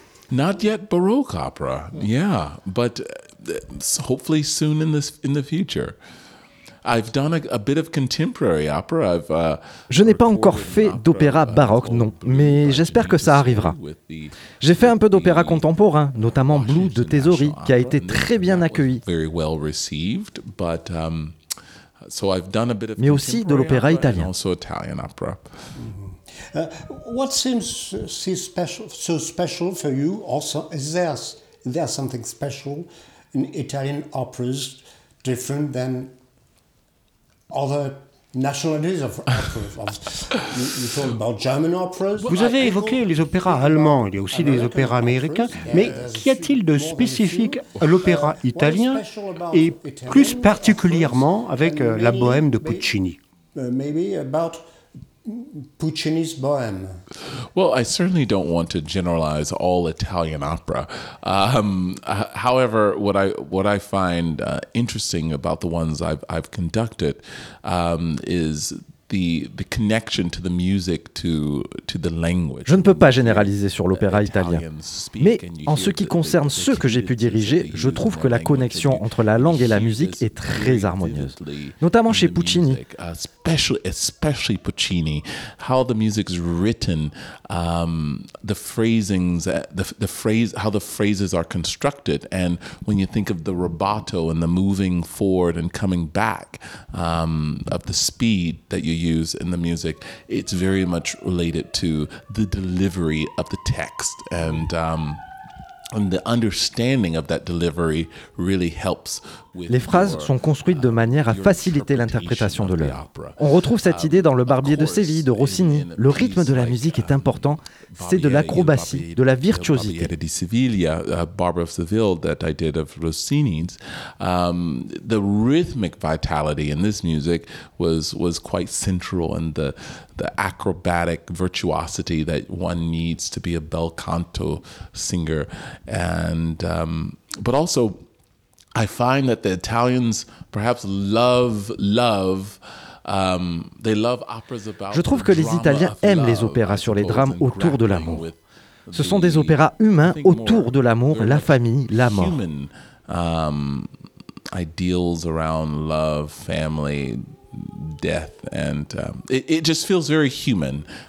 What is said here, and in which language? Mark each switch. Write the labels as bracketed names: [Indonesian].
[English] Not yet baroque opera. Yeah, but hopefully soon in the future. I've done a bit of contemporary opera. [French] Je n'ai pas encore fait d'opéra baroque, non, mais j'espère que ça arrivera. J'ai fait un peu d'opéra contemporain, notamment Blue de Tesori, qui a été très bien accueilli. [English] Very well received, but so I've done a bit of [French] mais aussi de l'opéra italien. [English] Also Italian opera. What seems so special for you also is there something special in Italian operas different than other nationalities of operas? You talk about German operas. [French] Vous avez évoqué les opéras allemands, il y a aussi des opéras américains, mais qu'y a-t-il de spécifique à l'opéra italien et plus particulièrement avec la Bohème de Puccini? [English] Maybe about Puccini's Bohème. Well, I certainly don't want to generalize all Italian opera. However, what I find interesting about the ones I've conducted is the connection to the music to the language. [French] Je ne peux pas généraliser sur l'opéra italien, mais en ce qui concerne ceux que j'ai pu diriger, je trouve que la connexion entre la langue et la musique est très harmonieuse, notamment chez Puccini. [English] Especially Puccini, how the music is written, the phrasings, the phrase, how the phrases are constructed, and when you think of the rubato and the moving forward and coming back of the speed that you use in the music, it's very much related to the delivery of the text, and the understanding of that delivery really helps. [French] Les phrases sont construites de manière à faciliter l'interprétation de l'œuvre. On retrouve cette idée dans Le Barbier de Séville de Rossini. Le rythme de la musique est important, c'est de l'acrobatie, de la virtuosité. [English] Barbier de Séville, Barbara of Seville that I did of Rossini's, the rhythmic vitality in this music was quite central in the acrobatic virtuosity that one needs to be a bel canto singer and but also I find that the Italians perhaps love they love operas about. [French] Je trouve que les Italiens aiment les opéras sur les drames autour de l'amour. Ce sont des opéras humains autour de l'amour, la famille, la mort. [English] Human ideals around love, family, death and it just feels very human.